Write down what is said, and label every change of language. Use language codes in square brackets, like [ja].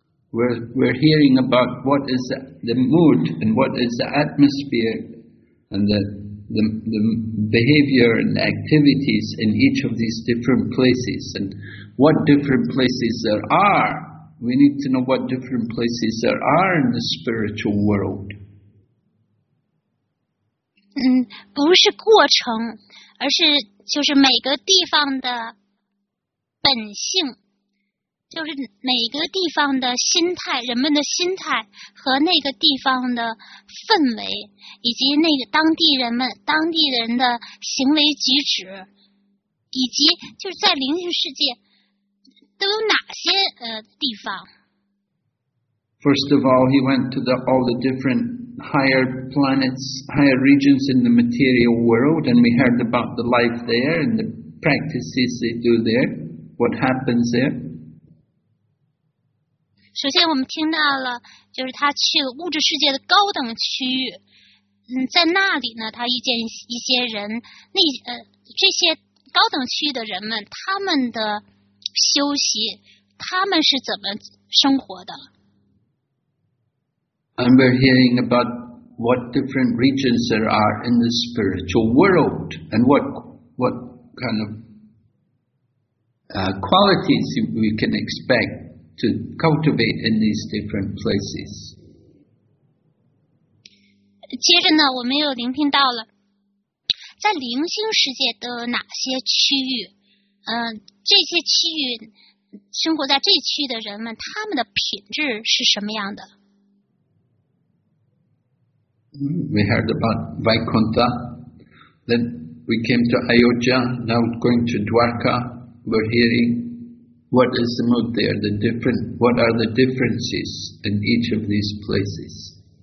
[en] We're hearing about what is the mood and what is the atmosphere and the behavior and the activities in each of these different places and what different places there are. We need to know what different places there are in the spiritual world. [zh] 不是过程，而是就是每个地方的本性。就是每个地方的心态，人们的心态和那个地方的氛围，以及那个当地人的行为举止，以及就是在灵性世界都有哪些地方。 [en] First of all, he went to all the different higher planets, higher regions in the material world, and we heard about the life there and the practices they do there, what happens there. [zh] 首先我们听到了就是他去了物质世界的高等区域，在那里呢他遇见一些人，这些高等区域的人们他们的休息，他们是怎么生活的。 [en] And we're hearing about what different regions there are in the spiritual world and what kind of qualities we can expectto cultivate in these different places. [zh] 接着呢，我们又聆听到了，在灵性世界的哪些区域，这些区域，生活在这区域的人们，他们的品质是什么样的？ [en] We heard about Vaikuntha, then we came to Ayodhya, now going to Dwarka, were hearing what is the mood there, the different, what are the differences in each of these places.